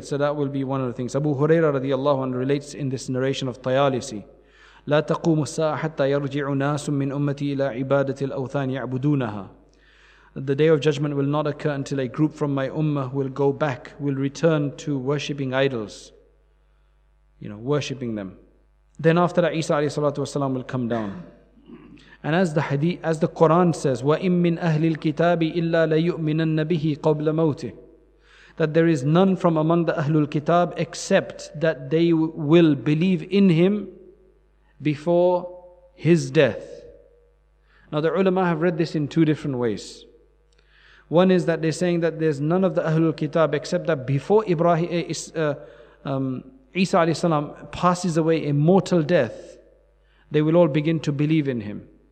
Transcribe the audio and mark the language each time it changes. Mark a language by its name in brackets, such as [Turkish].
[English] So that will be one of the things. Abu Huraira radiallahu anhu relates in this narration of Tayalisi, [Arabic] لا تقوم الساعة حتى يرجع ناس من أمتي إلى عبادة الأوثان يعبدونها. [English] The day of judgment will not occur until a group from my ummah will go back, will return to worshipping idols. You know, worshipping them. Then after that, Isa alayhi salatu wasalam will come down. And as the Quran says, [Arabic] وَإِن مِّنْ أَهْلِ الْكِتَابِ إِلَّا لَيُؤْمِنَنَّ بِهِ قَبْلَ مَوْتِهِ. [English] That there is none from among the Ahlul Kitab except that they will believe in him before his death. Now the ulama have read this in two different ways. One is that they're saying that there's none of the Ahlul Kitab except that before Isa alayhi salam passes away a mortal death, they will all begin to believe in him.